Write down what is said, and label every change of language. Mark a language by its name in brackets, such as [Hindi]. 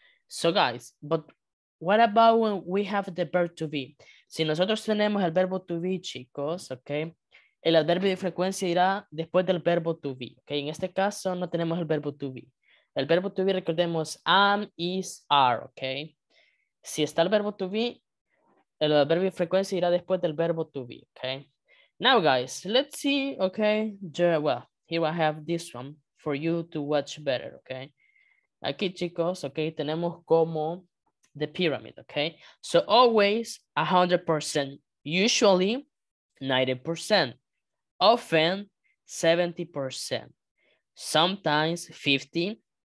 [English] So, guys, but what about when we have the verb to be? [Spanish] Si nosotros tenemos el verbo to be, chicos, ok, el adverbio de frecuencia irá después del verbo to be, ok, en este caso no tenemos el verbo to be. El verbo to be, recordemos, am, is, are, ok. Si está el verbo to be, el adverbio de frecuencia irá después del verbo to be, ok. [English] Now, guys, let's see, ok, yeah, well, here I have this one for you to watch better, ok. [Spanish] Aquí, chicos, ok, tenemos como... [English] the pyramid, [Spanish] okay? [English] So always 100%, usually 90%, often 70%, sometimes 50%.